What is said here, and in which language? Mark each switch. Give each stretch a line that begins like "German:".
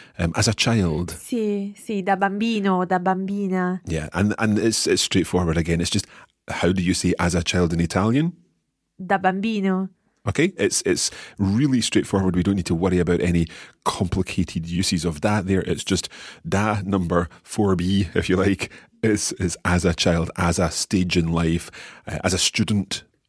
English: As a child.
Italian: Sì, sì, da bambino, da bambina.
English: Yeah, and it's straightforward again. It's just, how do you say as a child in Italian?
Italian: Da bambino.
English: Okay, it's really straightforward. We don't need to worry about any complicated uses of that there. It's just da number 4B, if you like, is as a child, as a stage in life, as a student.